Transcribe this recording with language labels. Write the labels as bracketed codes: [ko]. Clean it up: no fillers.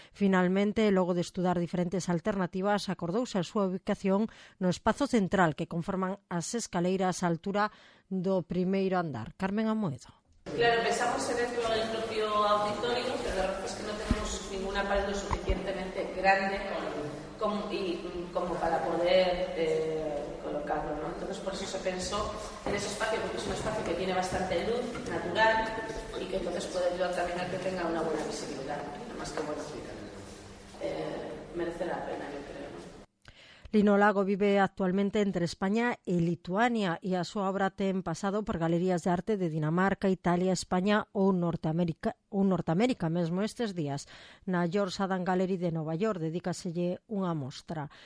[gl] Finalmente, logo de estudar diferentes alternativas, acordouse a súa ubicación no espazo central que conforman as escaleiras á altura do primeiro andar. Carmen Amoedo. [es] Claro, pensamos en el propio auditorio, pero la verdad es que no tenemos ninguna pared lo suficientemente grande como para poder colocarlo, ¿no? Entonces, por eso se pensó en ese espacio, porque es un espacio que tiene bastante luz natural y que entonces puede ayudar también a que tenga una buena visibilidad, más que buena vida. Merece la pena, yo creo. [gl] Lino Lago vive actualmente entre España e Lituania e a súa obra ten pasado por galerías de arte de Dinamarca, Italia, España ou Norteamérica mesmo estes días. Na George Adam Gallery de Nova York dedícaselle unha mostra.